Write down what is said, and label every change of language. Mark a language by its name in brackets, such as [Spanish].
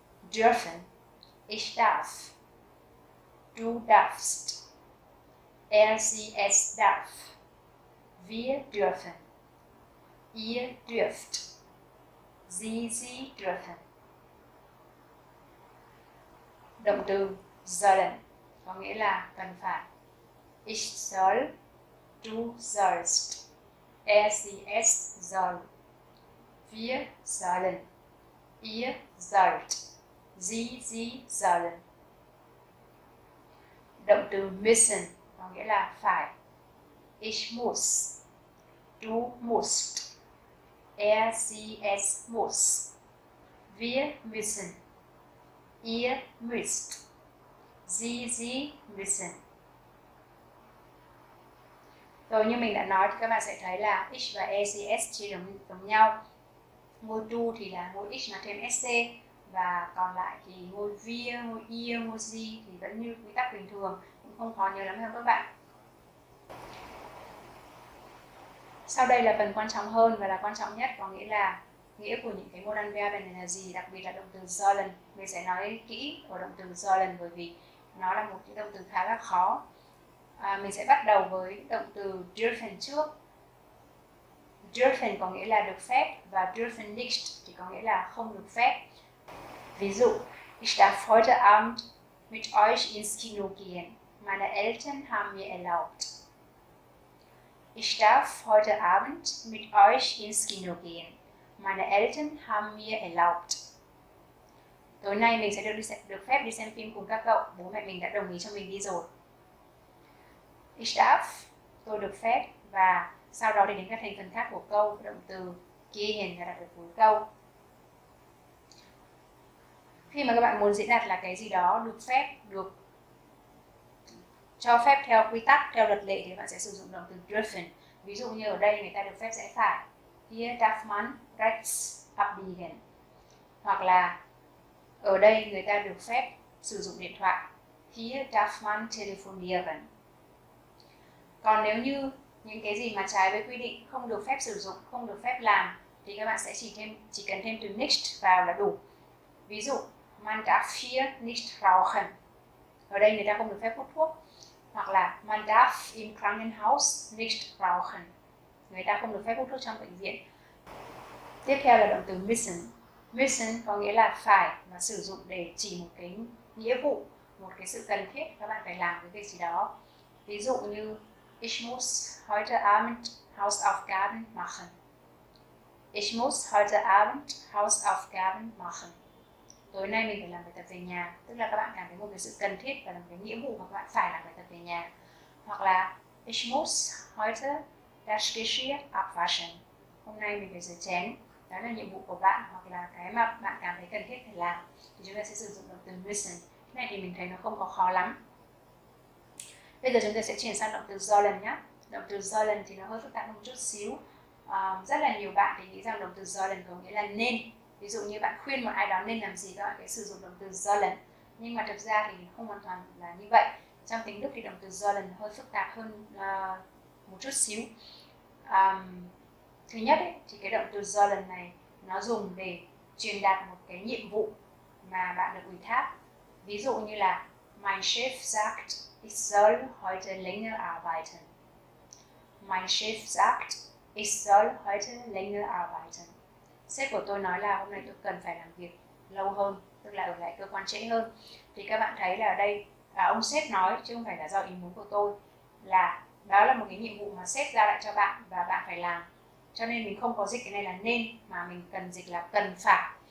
[German] Dürfen. Ich darf. Du darfst. Er, sie, es darf. dürfen. Ihr dürft. Sie dürfen. [Vietnamese] Động từ sollen có nghĩa là cần phải. [German] Ich soll, du sollst, es soll, wir sollen, ihr sollt, sie sollen. [Vietnamese] Động từ müssen có nghĩa là phải. [German] Ich muss, du musst, es muss, wir müssen, ihr müsst. Sie müssen. [Vietnamese] Rồi như mình đã nói thì các bạn sẽ thấy là ich và es chia đồng giống nhau. Ngôi du thì là ngôi ich nó thêm sc và còn lại thì ngôi wir, ngôi ihr, ngôi sie thì vẫn như quy tắc bình thường, cũng không khó nhớ lắm đâu các bạn. Sau đây là phần quan trọng hơn và là quan trọng nhất, có nghĩa của những cái modal verb này là gì, đặc biệt là động từ sollen. Mình sẽ nói kỹ của động từ sollen bởi vì nó là một cái động từ khá là khó. Mình sẽ bắt đầu với động từ dürfen trước. Dürfen có nghĩa là được phép và dürfen nicht thì có nghĩa là không được phép. Ví dụ, [German] ich darf heute Abend mit euch ins Kino gehen. Meine Eltern haben mir erlaubt. Ich darf heute Abend mit euch ins Kino gehen. Meine Eltern haben mir erlaubt. [Vietnamese] Tối nay mình sẽ được phép đi xem phim cùng các cậu. Bố mẹ mình đã đồng ý cho mình đi rồi. [German] Ich darf, [Vietnamese] tôi được phép. Và sau đó thì đến các thành phần khác của câu, động từ gehen là đặt ở cuối câu. Khi mà các bạn muốn diễn đạt là cái gì đó được phép, được cho phép theo quy tắc, theo luật lệ thì bạn sẽ sử dụng động từ dürfen. Ví dụ như ở đây người ta được phép rẽ phải. [German] Hier darf man rechts abbiegen. [Vietnamese] Hoặc là ở đây người ta được phép sử dụng điện thoại. [German] Hier darf man telefonieren. [Vietnamese] Còn nếu như những cái gì mà trái với quy định, không được phép sử dụng, không được phép làm thì các bạn sẽ chỉ cần thêm từ nicht vào là đủ. Ví dụ, [German] man darf hier nicht rauchen. [Vietnamese] Ở đây người ta không được phép hút thuốc. Hoặc là [German] man darf im Krankenhaus nicht rauchen. [Vietnamese] Người ta không được phép hút thuốc trong bệnh viện. Tiếp theo là động từ müssen. Müssen có nghĩa là phải và sử dụng để chỉ một cái nghĩa vụ, một cái sự cần thiết các bạn phải làm cái việc gì đó. Ví dụ như [German] ich muss heute Abend Hausaufgaben machen. Ich muss heute Abend Hausaufgaben machen. [Vietnamese] Tối nay mình phải làm bài tập về nhà, tức là các bạn cảm thấy một cái sự cần thiết và là một cái nghĩa vụ mà các bạn phải làm bài tập về nhà. Hoặc là [German] ich muss heute das Geschirr abwaschen. [Vietnamese] Hôm nay mình phải rửa chén. Đó là nhiệm vụ của bạn hoặc là cái mà bạn cảm thấy cần thiết phải làm thì chúng ta sẽ sử dụng động từ müssen. Cái này thì mình thấy nó không có khó lắm. Bây giờ chúng ta sẽ chuyển sang động từ sollen nhé. Động từ sollen thì nó hơi phức tạp một chút xíu. Rất là nhiều bạn thì nghĩ rằng động từ sollen có nghĩa là nên. Ví dụ như bạn khuyên một ai đó nên làm gì, các bạn sẽ sử dụng động từ sollen. Nhưng mà thực ra thì không hoàn toàn là như vậy. Trong tiếng Đức thì động từ sollen hơi phức tạp hơn một chút xíu. Thứ nhất ấy, thì cái động từ sollen này nó dùng để truyền đạt một cái nhiệm vụ mà bạn được ủy thác. Ví dụ như là [German] Mein Chef sagt, ich soll heute länger arbeiten. Mein Chef sagt, ich soll heute länger arbeiten. [Vietnamese] Sếp của tôi nói là hôm nay tôi cần phải làm việc lâu hơn, tức là ở lại cơ quan trễ hơn. Thì các bạn thấy là ở đây ông sếp nói chứ không phải là do ý muốn của tôi, là đó là một cái nhiệm vụ mà sếp giao lại cho bạn và bạn phải làm. Cho nên mình không có dịch cái này là nên mà mình cần dịch là cần phải.